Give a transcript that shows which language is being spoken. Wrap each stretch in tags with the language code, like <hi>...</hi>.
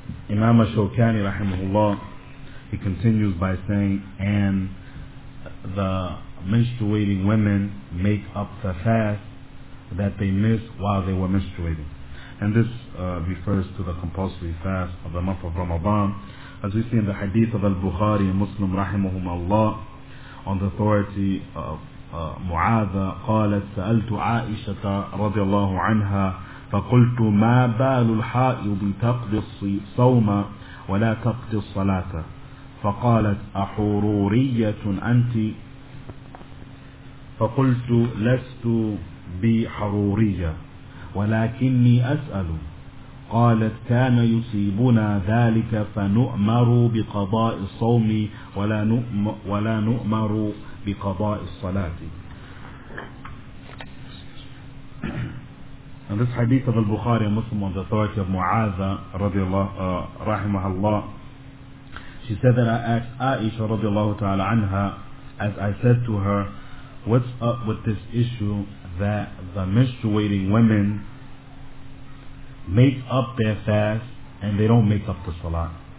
<en>Imam Ash-Shawkani rahimahullah, he continues by saying, and the menstruating women make up the fast that they missed while they were menstruating. And this refers to the compulsory fast of the month of Ramadan. As we see in the hadith of Al-Bukhari and Muslim rahimahum Allah, on the authority of Mu'adha,</en> <ar>قالت سألت عائشة رضي الله عنها فقلت ما بال الحائض تقضي الصوم ولا تقضي الصلاة فقالت أحرورية أنت فقلت لست بحرورية ولكني أسأل قالت كان يصيبنا ذلك فنؤمر بقضاء الصوم ولا نؤمر بقضاء الصلاة.</ar> <en>And this hadith of Al-Bukhari and Muslim on the authority of Mu'adha rahimahullah, she said that I asked Aisha radiallahu ta'ala anha, as I said to her, what's up with this issue that the menstruating women make up their fast and they don't make up the salah?</en>